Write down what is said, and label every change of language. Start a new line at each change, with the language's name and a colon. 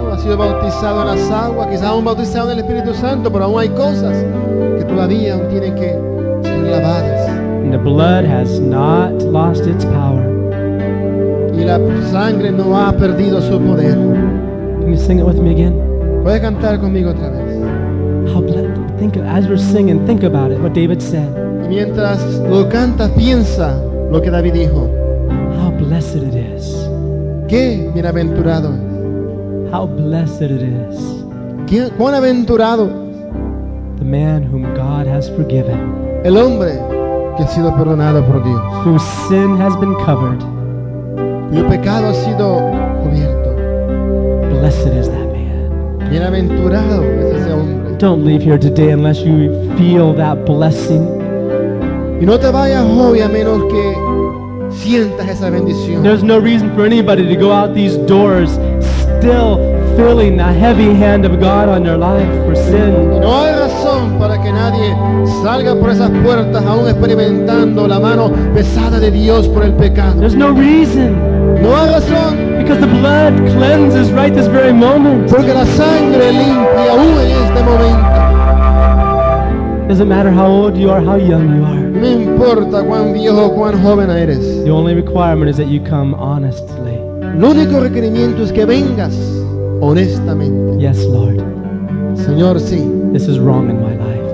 English: And the blood has not lost its power.
Spanish: Y la sangre no ha perdido su poder.
English: Can you sing it with me again?
Spanish: Voy a cantar conmigo otra vez.
English: How blessed, think of, as we're singing, think about it, what David said.
Spanish: Y mientras lo canta, piensa lo que David dijo.
English: How blessed it is.
Spanish: Qué bienaventurado.
English: How blessed it is.
Spanish: Cuán aventurado.
English: The man whom God has forgiven.
Spanish: El hombre que ha sido perdonado por Dios.
English: Whose sin has been covered.
Spanish: Cuyo pecado ha sido cubierto.
English: Blessed is that man.
Spanish: Bienaventurado es ese hombre.
English: Don't leave here today unless you feel that blessing.
Spanish: Y no te vayas hoy a menos que sientas esa bendición.
English: There's no reason for anybody to go out these doors still feeling the heavy hand of God on your life for sin.
Spanish: No hay razón para que nadie salga por esas puertas aún experimentando la mano pesada de Dios por el pecado.
English: There's no reason.
Spanish: No hay razón.
English: Because the blood cleanses right this very moment.
Spanish: Porque la sangre limpia aún en este momento.
English: Doesn't matter how old you are, how young you are.
Spanish: No importa cuán viejo, cuán joven eres.
English: The only requirement is that you come honestly.
Spanish: Lo único requerimiento es que vengas honestamente.
English: Yes, Lord.
Spanish: Señor, sí.
English: This is wrong in my life.